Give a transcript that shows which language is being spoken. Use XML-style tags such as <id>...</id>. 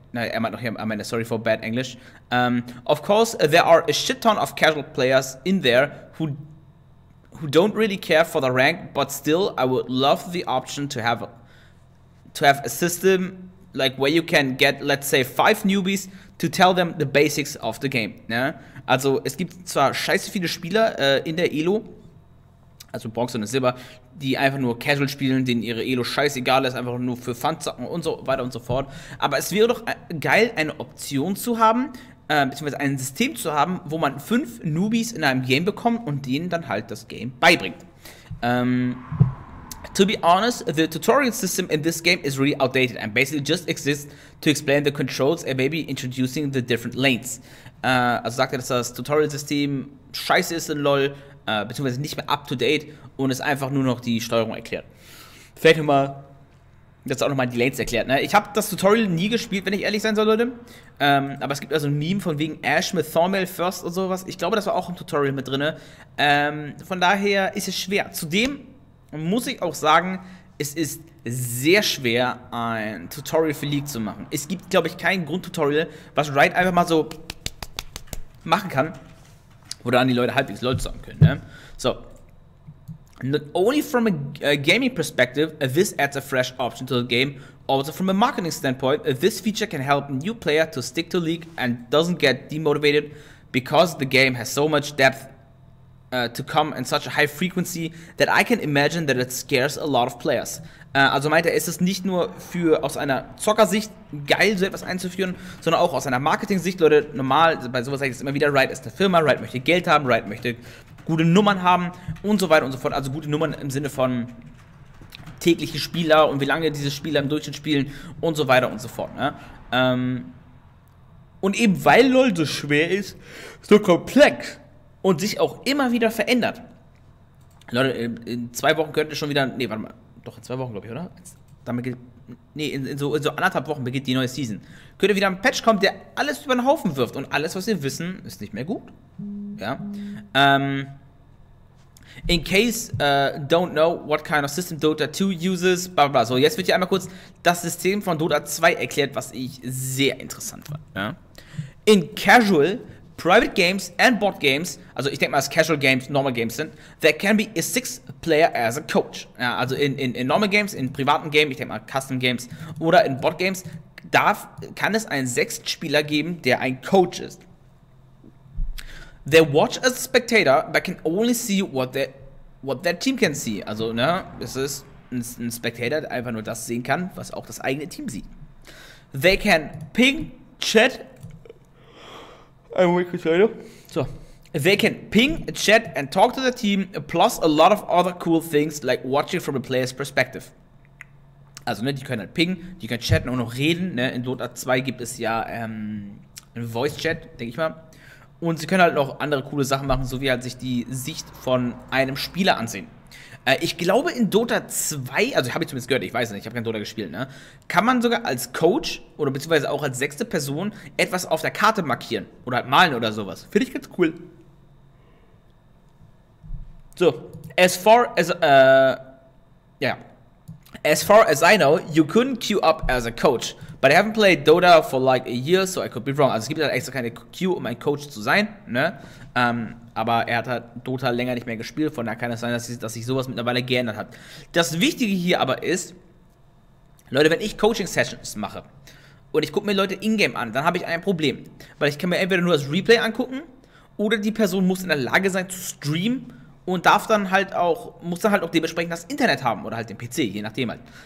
<de>Nein, er meint noch hier am Ende,</de> <en>sorry for bad English. Of course, there are a shit ton of casual players in there who don't really care for the rank, but still, I would love the option to have a system like where you can get, let's say, 5 newbies to tell them the basics of the game.</en> <de>Ne? Also, es gibt zwar scheiße viele Spieler in der Elo, also Bronze und Silber, die einfach nur casual spielen, denen ihre Elo scheißegal ist, einfach nur für Fun zocken und so weiter und so fort. Aber es wäre doch geil, eine Option zu haben, beziehungsweise ein System zu haben, wo man 5 Newbies in einem Game bekommt und denen dann halt das Game beibringt.</de> <en>To be honest, the tutorial system in this game is really outdated and basically just exists to explain the controls and maybe introducing the different lanes.</en> <de>Also sagt er, dass das Tutorial-System scheiße ist in LoL, beziehungsweise nicht mehr up-to-date und es einfach nur noch die Steuerung erklärt. Vielleicht nochmal, dass auch nochmal die Lanes erklärt. Ne? Ich habe das Tutorial nie gespielt, wenn ich ehrlich sein soll, Leute. Aber es gibt also ein Meme von wegen Ash mit Thormail First und sowas. Ich glaube, das war auch im Tutorial mit drin. Von daher ist es schwer. Zudem muss ich auch sagen, es ist sehr schwer, ein Tutorial für League zu machen. Es gibt, glaube ich, kein Grundtutorial, was Riot einfach mal so machen kann. Oder an die Leute halbwegs LOL zocken können, ne? So.</de> <en>Not only from a gaming perspective, this adds a fresh option to the game. Also from a marketing standpoint, this feature can help new player to stick to League and doesn't get demotivated because the game has so much depth to come in such a high frequency that I can imagine that it scares a lot of players.</en> <de>Also meint er, ist es nicht nur für aus einer Zockersicht geil, so etwas einzuführen, sondern auch aus einer Marketing-Sicht, Leute, normal, bei sowas sage ich es immer wieder, Riot ist eine Firma, Riot möchte Geld haben, Riot möchte gute Nummern haben und so weiter und so fort, also gute Nummern im Sinne von tägliche Spieler und wie lange diese Spieler im Durchschnitt spielen und so weiter und so fort, ne? Und eben weil LOL so schwer ist, so komplex und sich auch immer wieder verändert. Leute, in 2 Wochen könnt ihr schon wieder, nee, warte mal, doch, in 2 Wochen, glaube ich, oder? In so anderthalb Wochen beginnt die neue Season. Könnte wieder ein Patch kommen, der alles über den Haufen wirft. Und alles, was wir wissen, ist nicht mehr gut. Ja.</de> <en>In case don't know what kind of system Dota 2 uses, bla bla bla.</en> <de>So, jetzt wird hier einmal kurz das System von Dota 2 erklärt, was ich sehr interessant fand. Ja.</de> <en>In Casual, Private Games and Bot Games,</en> <de>also ich denke mal, dass Casual Games Normal Games sind,</de> <en>there can be a 6-Player as a Coach.</en> <de>Ja, also in Normal Games, in privaten Games, ich denke mal Custom Games oder in Bot Games, kann es einen 6. Spieler geben, der ein Coach ist.</de> <en>They watch as a spectator, but can only see what their team can see.</en> <de>Also, ne, es ist ein Spectator, der einfach nur das sehen kann, was auch das eigene Team sieht.</de> <en>They can ping, chat, they can ping, chat and talk to the team, plus a lot of other cool things like watching from a player's perspective.</en> <de>Also, ne, die können halt pingen, die können chatten und noch reden. Ne? In Dota 2 gibt es ja einen Voice-Chat, denke ich mal. Und sie können halt noch andere coole Sachen machen, so wie halt sich die Sicht von einem Spieler ansehen. Ich glaube, in Dota 2, also habe ich zumindest gehört, ich weiß nicht, ich habe kein Dota gespielt, ne? Kann man sogar als Coach oder beziehungsweise auch als 6. Person etwas auf der Karte markieren oder halt malen oder sowas. Finde ich ganz cool.</de> <en>So, as far as I know, you couldn't queue up as a coach. But I haven't played Dota for like a year, so I could be wrong.</en> <de>Also es gibt halt extra keine Queue, um ein Coach zu sein, ne? Aber er hat Dota länger nicht mehr gespielt, von daher kann es sein, dass sich sowas mittlerweile geändert hat. Das Wichtige hier aber ist, Leute, wenn ich Coaching-Sessions mache und ich gucke mir Leute in-game an, dann habe ich ein Problem. Weil ich kann mir entweder nur das Replay angucken oder die Person muss in der Lage sein zu streamen und darf dann halt auch, muss dann halt auch dementsprechend das Internet haben oder halt den PC, je nachdem halt.</de>